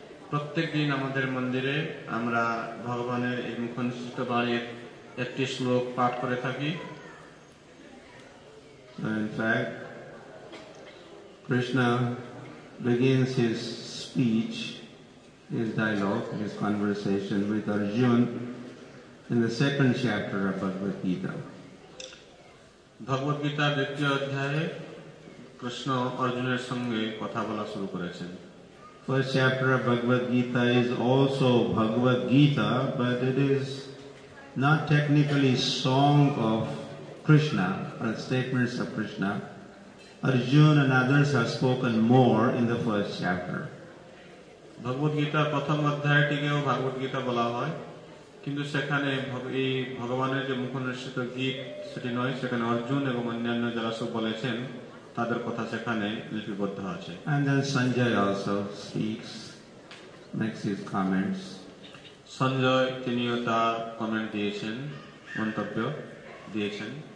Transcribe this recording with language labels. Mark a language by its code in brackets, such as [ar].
[bn] প্রত্যেক দিন আমাদের মন্দিরে আমরা ভগবানের এই মুখনিষ্ঠ বাণীর একটি শ্লোক পাঠ করে থাকি। [en] In fact, Krishna begins his speech, his dialogue, his conversation with Arjuna in the second chapter of Bhagavad Gita. [bn] ভগবদ গীতার দ্বিতীয় অধ্যায়ে কৃষ্ণ অর্জুনের সঙ্গে কথা বলা শুরু করেছেন। [en] First chapter of Bhagavad Gita is also Bhagavad Gita, but it is not technically song of Krishna or statements of Krishna. Arjuna and others have spoken more in the first chapter. [bn] Bhagavad Gita pratham adhyayatikeo Bhagavad Gita bola hoy, kintu sekhane ei Bhagavaner je mukhonishito git seti noy, sekhane Arjuna ebong onnanno jara sob bolechen তাদের কথা সেখানে লিপিবদ্ধ আছে। [en] And then Sanjay also speaks, makes his comments. [bn] Sanjay তিনিও তার comment দিয়েছেন, মন্তব্য দিয়েছেন।